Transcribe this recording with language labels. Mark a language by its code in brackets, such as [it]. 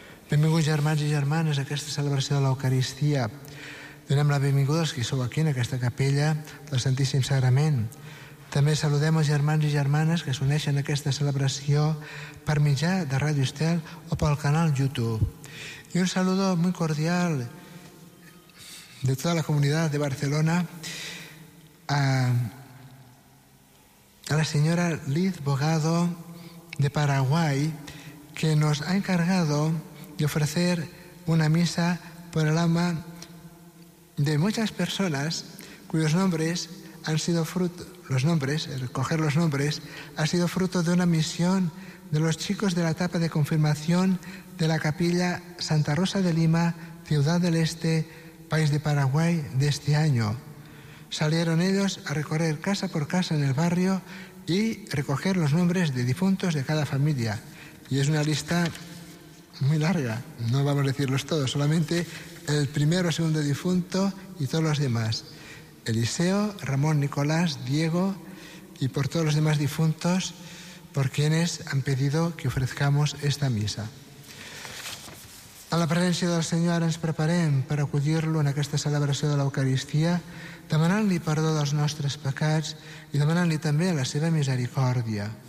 [ca] Benvinguts, germans i germanes, a aquesta celebració de l'Eucaristia. Donem la benvinguda als que sou aquí, en aquesta capella del Santíssim Sagrament. També saludem els germans i germanes que s'uneixen a aquesta celebració per mitjà de Ràdio Estel o pel canal YouTube. [es] I un saludo muy cordial de toda la comunidad de Barcelona a la señora Liz Bogado de Paraguay, que nos ha encargado de ofrecer una misa por el alma de muchas personas cuyos nombres han sido fruto, los nombres, el coger los nombres, ha sido fruto de una misión de los chicos de la etapa de confirmación de la capilla Santa Rosa de Lima, Ciudad del Este, país de Paraguay, de este año. Salieron ellos a recorrer casa por casa en el barrio y recoger los nombres de difuntos de cada familia. Y es una lista muy larga, no vamos a decirlos todos, solamente el primero o segundo difunto y todos los demás. Eliseo, Ramón, Nicolás, Diego y por todos los demás difuntos por quienes han pedido que ofrezcamos esta misa. [ca] A la presència del Senyor ara ens preparem per acollir-lo en aquesta celebració de l'Eucaristia, demanant-li perdó dels nostres pecats i demanant-li també la seva misericòrdia.